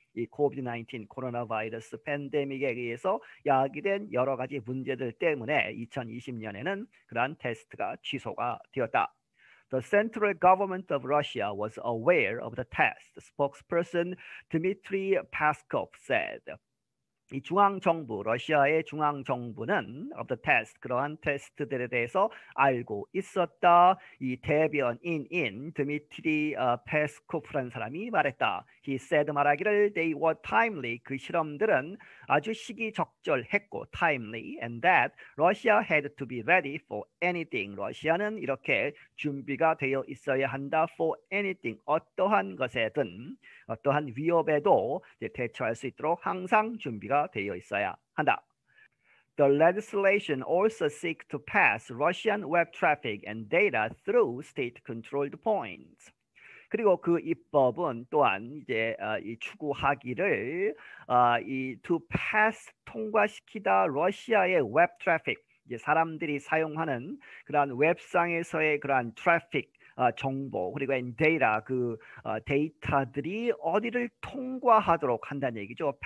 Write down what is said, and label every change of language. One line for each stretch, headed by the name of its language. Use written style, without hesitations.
Korean: 이 COVID-19, 코로나 바이러스 팬데믹에 의해서 야기된 여러 가지 문제들 때문에 2020년에는 그러한 테스트가 취소가 되었다.
English: The central government of Russia was aware of the test, spokesperson Dmitry Peskov said.
Korean: 이 중앙정부, 러시아의 중앙정부는
English: of the test,
Korean: 그러한 테스트들에 대해서 알고 있었다. 이 대변인인 드미트리 페스코프라는 사람이 말했다.
English: He said
Korean: 말하기를
English: they were timely.
Korean: 그 실험들은 아주 시기적절했고
English: timely and that Russia had to be ready for anything.
Korean: 러시아는 이렇게 준비가 되어 있어야 한다.
English: For anything,
Korean: 어떠한 것에든 어떠한 위협에도 대처할 수 있도록 항상 준비가 되어 있어야 한다.
English: The legislation also seeks to pass Russian web traffic and data through state-controlled points.
Korean: 그리고 그 입법은 또한 이제 이 추구하기를 이
English: to pass
Korean: 통과시키다 러시아의 웹 트래픽, 이제 사람들이 사용하는 그러한 웹상에서의 그러한 트래픽 정보 그리고 데이터 그 데이터들이 어디를 통과하도록 한다는 얘기죠.